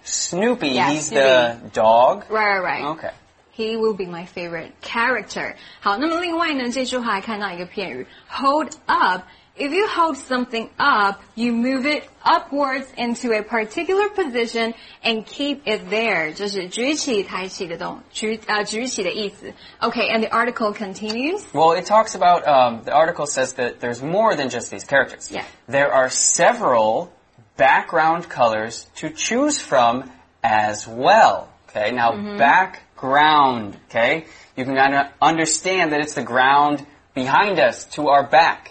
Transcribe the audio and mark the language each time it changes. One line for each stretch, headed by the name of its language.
English: Snoopy, yeah, he's Snoopy. The dog? Right. Okay. He will be my favorite character.
Chinese: 好，那么另外呢，这句话还看到一个片语
English: ，hold up. If you hold something up, you move it upwards into a particular position and keep it there.
Chinese: 就是举起、抬起的动举起的意思。
English: Okay, and the article continues. Well, it talks about the article says that there's more than just these characters. Yeah. There are several background colors to choose from as well. Okay, now background, okay? You can kind of understand that it's the ground behind us, to our back.